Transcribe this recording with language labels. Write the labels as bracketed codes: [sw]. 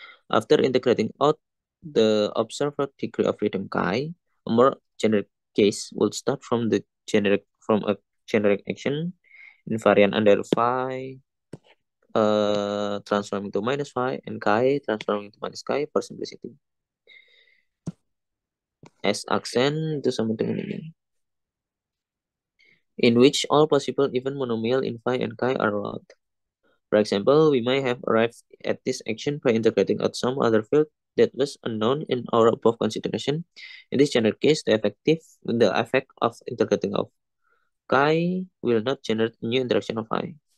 [en] After integrating out the observed degree of freedom chi, a more generic case would start from the generic from a generic action invariant under phi transforming to minus phi and chi transforming to minus chi for simplicity. [id] S aksen itu sama dengan ini. [en] In which all possible even monomial in phi and chi are allowed. For example, we might have arrived at this action by integrating out some other field that was unknown in our above consideration. In this general case, the effect of integrating of chi will not generate a new interaction of phi.